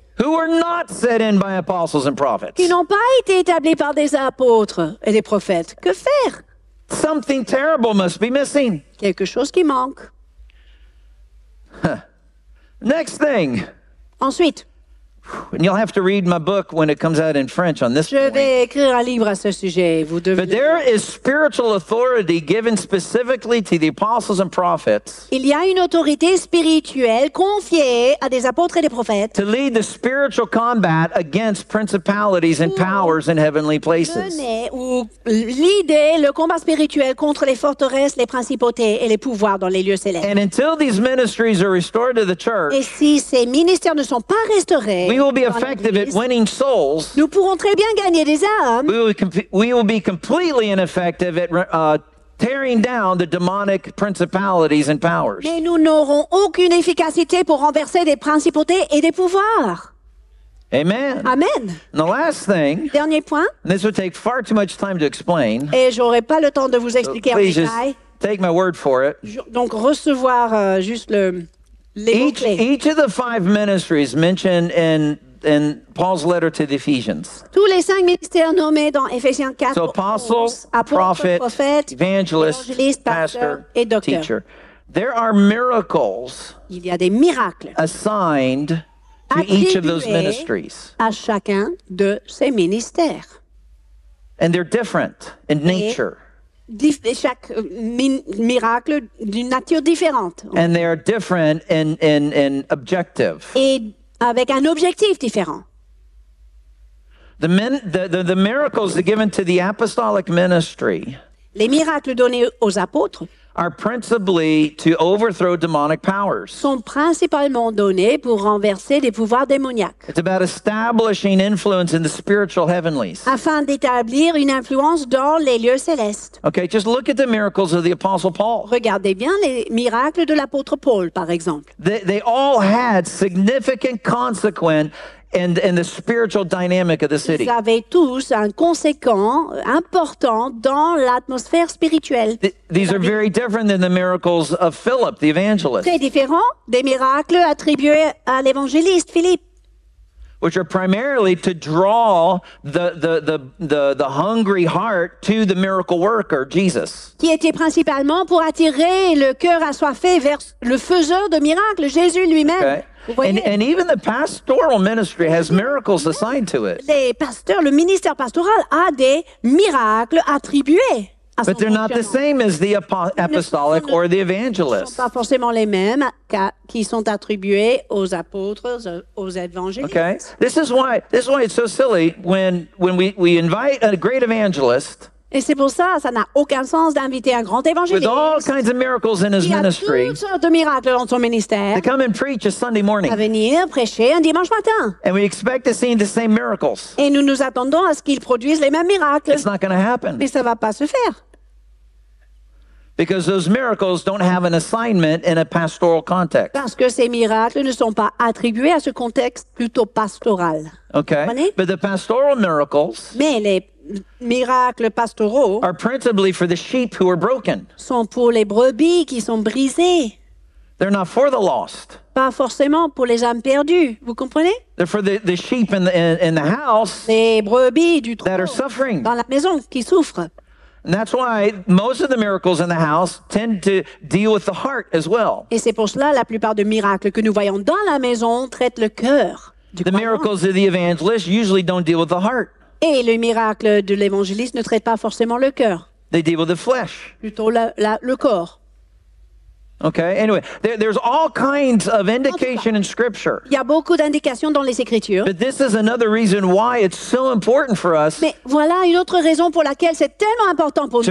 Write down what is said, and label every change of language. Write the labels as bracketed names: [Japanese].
[English] Who were not set in by apostles and prophets. [French] Qui n'ont pas été établis par des apôtres et des prophètes. Que faire? [English] Something terrible must be missing. [French] Quelque chose qui manque. [English] Next thing. [French] Ensuite. [English] And you'll have to read my book when it comes out in French on this [French] Je [English] point. [French] Je vais écrire un livre à ce sujet. Vous devez [English] But there is spiritual authority given specifically to the apostles and prophets. [French] Il y a une autorité spirituelle confiée à des apôtres et des prophètes. [English] To lead the spiritual combat against principalities and powers in heavenly places. [French] Ou leader le combat spirituel contre les forteresses, les principautés et les pouvoirs dans les lieux célestes. [English] And until these ministries are restored to the church. [French] Et si ces ministères ne sont pas restaurés. [English] We will be effective at winning souls. [French] Nous pourrons très bien gagner des âmes. [English] We will be completely ineffective at tearing down the demonic principalities and powers. [French] Mais nous n'aurons aucune efficacité pour renverser des principautés et des pouvoirs. [English] Amen. Amen. And the last thing. [French] Dernier point. [English] And this would take far too much time to explain. [French] Et j'aurai pas le temps de vous expliquer en détail. [English] Please just take my word for it. [French] Donc recevoir juste le [English] Each of the five ministries mentioned in Paul's letter to the Ephesians. [French] Tous les cinq ministères nommés dans Ephésiens 4. [English] So apostle, prophet, evangelist, pastor, [French] et docteur. [English] Teacher. There are miracles. [French] Il y a des miracles [English] assigned to each of those ministries. [French] À chacun de ces ministères. [English] And they're different in nature. [French] Chaque miracle d'une nature différente. [English] And they are different in objective. [French] Et avec un objectif différent. [English] The miracles given to the apostolic ministry. [French] Les miracles donnés aux apôtres. [English] Are principally to overthrow demonic powers. [French] Sont principalement donnés pour renverser des pouvoirs démoniaques. [English] It's about establishing influence in the spiritual heavenlies. [French] Afin d'établir une influence dans les lieux célestes. [English] Okay, just look at the miracles of the Apostle Paul. [French] Regardez bien les miracles de l'apôtre Paul, par exemple. [English] They all had significant consequence in the spiritual dynamic of the city. [French] Ils avaient tous un conséquent important dans l'atmosphère spirituelle. [English] These are very different than the miracles of Philip, the evangelist. [French] Très différent des miracles attribués à l'évangéliste Philippe. [English] Which are primarily to draw the hungry heart to the miracle worker, Jesus. [French] Qui était principalement pour attirer le cœur assoiffé vers le faiseur de miracles, Jésus lui-même. [English] Okay. And even the pastoral ministry has miracles assigned to it. [French] Les pasteurs, le ministère pastoral a des miracles attribués. [English] But they're not the same as the apostolic or the evangelist. [French] Ils ne sont pas forcément les mêmes qui sont attribués aux apôtres, aux évangélistes. [English] Okay. This is why it's so silly when we invite a great evangelist. [French] Et c'est pour ça, ça n'a aucun sens d'inviter un grand évangéliste. [English] With all kinds of miracles in his ministry. [French] Il a toutes sortes de miracles dans son ministère. [English] To come and preach a Sunday morning. [French] À venir prêcher un dimanche matin. [English] And we expect to see the same miracles. [French] Et nous nous attendons à ce qu'il produise les mêmes miracles. [English] It's not going to happen. [French] Mais ça va pas se faire. [English] Because those miracles don't have an assignment in a pastoral context. [French] Parce que ces miracles ne sont pas attribués à ce contexte plutôt pastoral. [English] Okay. But the pastoral miracles. [French] Mais les miracles pastoraux [English] are principally for the sheep who are broken. [French] Sont pour les brebis qui sont brisées. [English] They're not for the lost. [French] Pas forcément pour les âmes perdues, vous comprenez? [English] They're for the sheep in the house. [French] Les brebis du troupeau. [English] That are suffering. [French] Dans la maison qui souffrent. [English] And that's why most of the miracles in the house tend to deal with the heart as well. [French] Et c'est pour cela la plupart des miracles que nous voyons dans la maison traitent le cœur. [English] The miracles of the evangelist usually don't deal with the heart. [French] Et le miracle de l'évangéliste ne traite pas forcément le cœur. [English] They deal with the flesh. [French] Plutôt le corps. [English] Okay, anyway, there's all kinds of indication in Scripture. [French] Il y a beaucoup d'indications dans les Écritures. [English] But this is another reason why it's so important for us. [French] Mais voilà une autre raison pour laquelle c'est tellement important pour nous.